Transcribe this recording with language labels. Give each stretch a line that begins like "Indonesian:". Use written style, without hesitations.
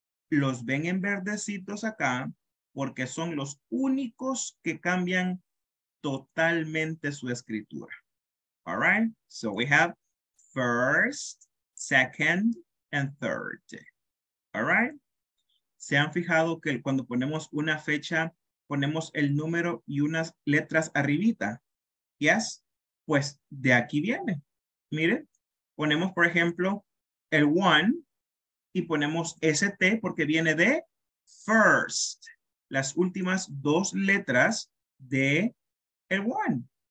Spanish: Los ven en verdecitos acá porque son los únicos que cambian totalmente su escritura.
English: All right, so we have first, second, and third.
Spanish: All right, se han fijado que cuando ponemos una fecha, ponemos el número y unas letras arribita. Yes, pues de aquí viene. Miren, ponemos por ejemplo el 1 y ponemos ST porque viene de first, las últimas dos letras de el 1.